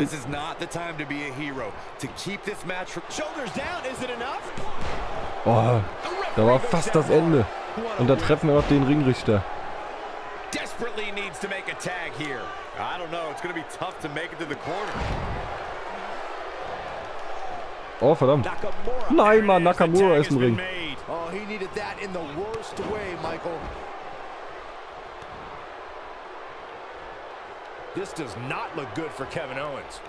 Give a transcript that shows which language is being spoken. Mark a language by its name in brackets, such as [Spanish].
[English] This is not the time to be a hero. To keep this match from shoulders down, is it enough? [German] Oh, da war fast das Ende. Und da treffen wir noch den Ringrichter. [English] Desperately needs to make a tag here. I don't know, it's gonna be tough to make it to the corner. [German] Oh, verdammt. Nein, Mann, Nakamura ist im Ring. [English] Oh, he needed that in the worst way, Michael. This does not look good for Kevin Owens.